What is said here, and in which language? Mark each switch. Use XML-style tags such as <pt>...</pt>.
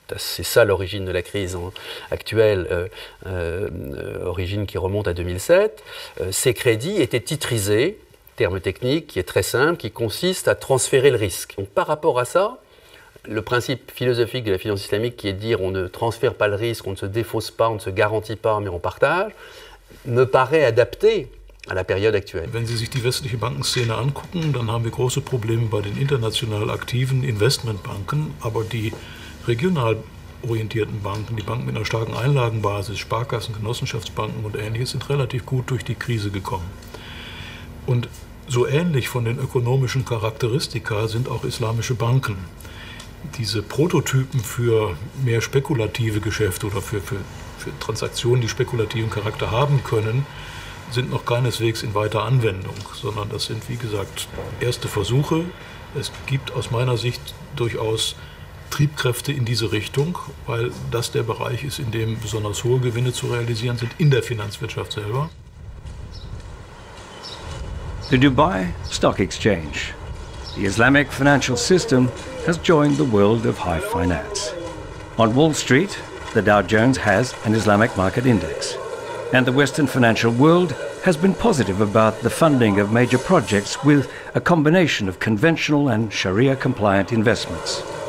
<fr>C'est ça l'origine de la crise actuelle, origine qui remonte à 2007. Ces crédits étaient titrisés terme technique qui est très simple, qui consiste à transférer le risque. Donc par rapport à ça, le principe philosophique de la finance islamique qui est de dire on ne transfère pas le risque, on ne se défausse pas, on ne se garantit pas, mais on partage, me paraît adapté à la période actuelle.</fr> <de>Wenn Sie sich die westliche Bankenszene angucken, dann haben wir große Probleme bei den international aktiven Investmentbanken, aber die regional orientierten Banken, die Banken mit einer starken Einlagenbasis, Sparkassen, Genossenschaftsbanken und ähnliches, sind relativ gut durch die Krise gekommen. Und so ähnlich von den ökonomischen Charakteristika sind auch islamische Banken. Diese Prototypen für mehr spekulative Geschäfte oder für Transaktionen, die spekulativen Charakter haben können, sind noch keineswegs in weiter Anwendung, sondern das sind, wie gesagt, erste Versuche. Es gibt aus meiner Sicht durchaus Triebkräfte in diese Richtung, weil das der Bereich ist, in dem besonders hohe Gewinne zu realisieren sind, in der Finanzwirtschaft selber.</de> <en>The Dubai Stock Exchange. The Islamic financial system has joined the world of high finance. On Wall Street, the Dow Jones has an Islamic market index. And the Western financial world has been positive about the funding of major projects with a combination of conventional and Sharia-compliant investments.</en>